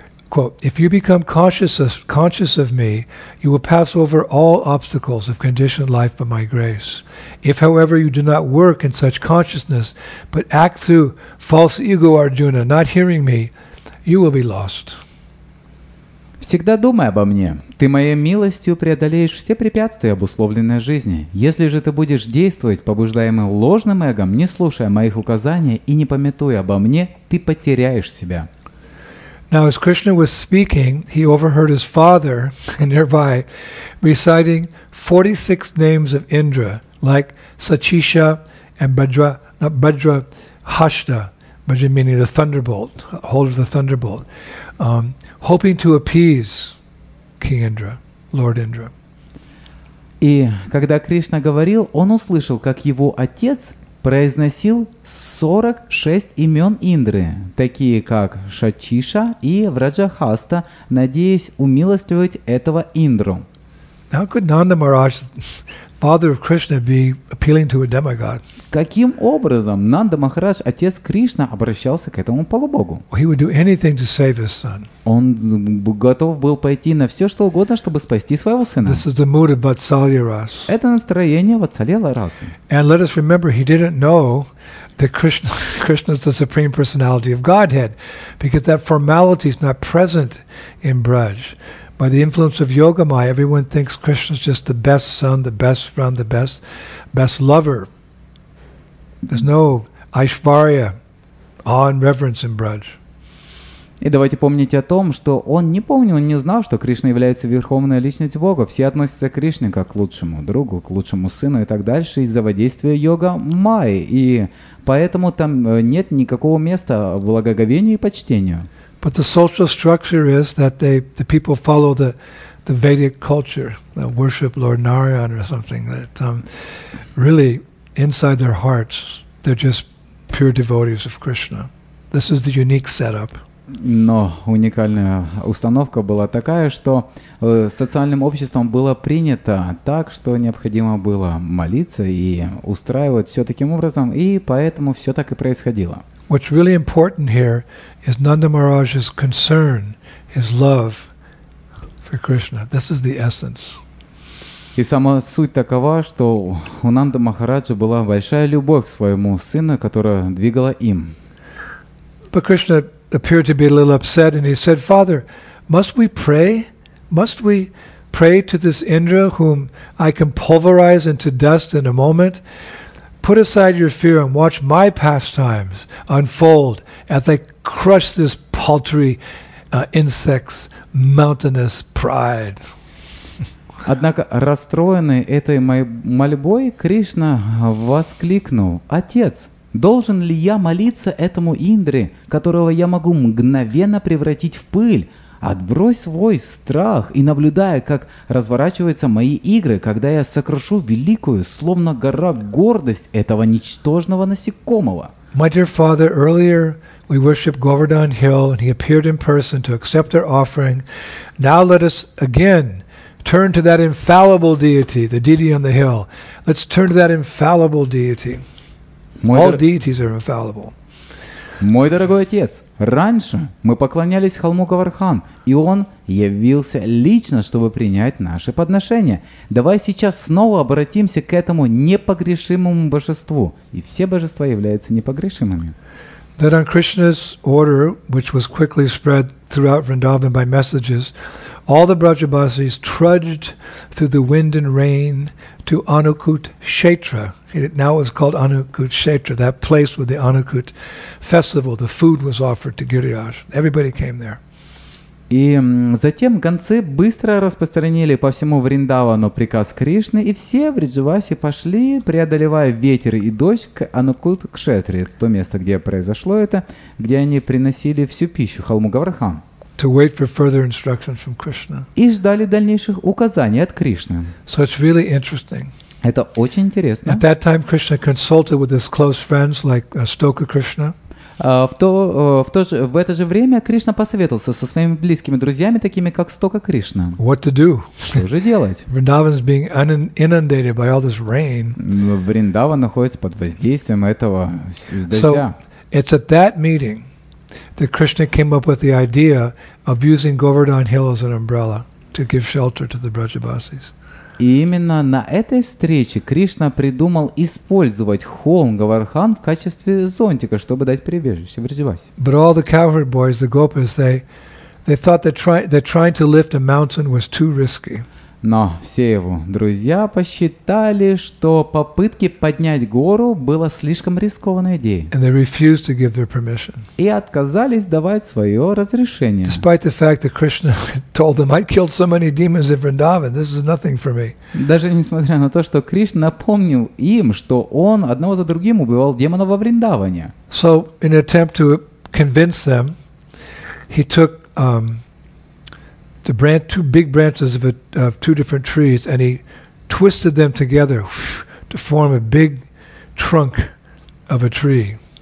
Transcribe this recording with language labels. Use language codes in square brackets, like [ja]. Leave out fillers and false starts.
[en] Quote, if you become conscious of me, you will pass over all obstacles of conditioned life by my grace. If, however, you do not work in such consciousness, but act through false ego, Arjuna, not hearing me, you will be lost. [ru] Всегда думай обо мне. Ты моей милостью преодолеешь все препятствия обусловленной жизни. Если же ты будешь действовать, побуждаемый ложным эгом, не слушая моих указаний и не памятуя обо мне, ты потеряешь себя. [en] Now, as Krishna was speaking, he overheard his father nearby reciting 46 names of Indra, like Sachisha and Bhadra Hashta, meaning the thunderbolt, holder of the thunderbolt, hoping to appease King Indra, Lord Indra. [ru] И когда Кришна говорил, он услышал, как его отец произносил 46 имен Индры, такие как Шачиша и Враджахаста, надеясь умилостивить этого Индру. [en] How could Nanda Maharaj, father of Krishna, be appealing to a demigod? [ru] Каким образом Нанда Махарадж, отец Кришна, обращался к этому полубогу? [en] He would do anything to save his son. [ru] Он готов был пойти на все, что угодно, чтобы спасти своего сына. [en] This is the mood of Vatsalya Rasa. [ru] Это настроение Ватсалья Расы. [en] And let us remember, he didn't know that Krishna is the Supreme Personality of Godhead, because that formality is not present in Braj. By the influence of Yogamaya, everyone thinks Krishna is just the best son, the best friend, the best lover. There's no Aishvarya, awe and reverence in Braj. [ru] И давайте помнить о том, что он не помнил, не знал, что Кришна является верховной личностью Бога. Все относятся к Кришне как к лучшему другу, к лучшему сыну и так дальше из-за воздействия йога Майи. И поэтому там нет никакого места благоговению и почтению. [en] But the social structure is that the people follow the Vedic culture, that worship Lord Narayan or something. That really inside their hearts, they're just pure devotees of Krishna. This is the unique setup. [ru] Но уникальная установка была такая, что социальным обществом было принято так, что необходимо было молиться и устраивать все таким образом, и поэтому все так и происходило. [en] What's really important here is Nanda Maharaj's concern, his love for Krishna. This is the essence. [ru] И сама суть такова, что у Нанда Махараджа была большая любовь к своему сыну, которая двигала им. [en] But Krishna appeared to be a little upset, and he said, "Father, must we pray? Must we pray to this Indra, whom I can pulverize into dust in a moment? Put aside your fear and watch my pastimes unfold as I crush this paltry insect's mountainous pride." [ru] Однако расстроенный этой мольбой, Кришна воскликнул: "Отец, должен ли я молиться этому Индре, которого я могу мгновенно превратить в пыль? Отбрось свой страх и наблюдая, как разворачиваются мои игры, когда я сокрушу великую, словно гора, гордость этого ничтожного насекомого." [en] My dear father, earlier we worshipped Govardhan Hill, and he appeared in person to accept our offering. Now let us again turn to that infallible deity, the deity on the hill. Let's turn to that infallible deity. All deities are infallible. [ru] Мой дорогой отец, раньше мы поклонялись холму Говардхан, и он явился лично, чтобы принять наши подношения. Давай сейчас снова обратимся к этому непогрешимому божеству, и все божества являются непогрешимыми. [en] That on Krishna's order, which was quickly spread throughout Vrindavan by messages, All the Brajabasis trudged through the wind and rain to Anukut Kshetra. It now is called Anukut Kshetra, that place with the Anukut festival. The food was offered to Giriraj. Everybody came there. [ru] И затем гонцы быстро распространили по всему Вриндавану приказ Кришны, и все Вриджаваси пошли, преодолевая ветер и дождь, к Анукут Кшетре, то место, где произошло это, где они приносили всю пищу холму Гаврахам. [en] To wait for further instructions from Krishna. [ru] И ждали дальнейших указаний от Кришны. [en] So it's really interesting. [ru] Это очень интересно. [en] At that time, Krishna consulted with his close friends like Stoka Krishna. [ru] В это же время Кришна посоветовался со своими близкими друзьями, такими как Стока Кришна. [en] What to do? [ru] Что же делать? [en] Vrindavan is being inundated by all this rain. [ru] Вриндаван находится под воздействием этого дождя. [en] So it's at that meeting that Krishna came up with the idea of using Govardhan Hill as an umbrella to give shelter to the Brajabasis. [ru] И именно на этой встрече Кришна придумал использовать холм Говардхан в качестве зонтика, чтобы дать прибежище Вриджаваси. [en] But all the cowherd boys, the gopis, they thought that trying to lift a mountain was too risky. [ru] Но все его друзья посчитали, что попытки поднять гору было слишком рискованной идеей. [en] And they refused to give their permission. [ru] И отказались давать свое разрешение. [en] Despite the fact that Krishna told them, I killed so many demons in Vrindavan, this is nothing for me. [ru] Даже несмотря на то, что Кришна напомнил им, что он одного за другим убивал демонов во Вриндаване. [en] So, in an attempt to convince them, he took two big branches of two different trees, and he twisted them together to form a big trunk of a tree.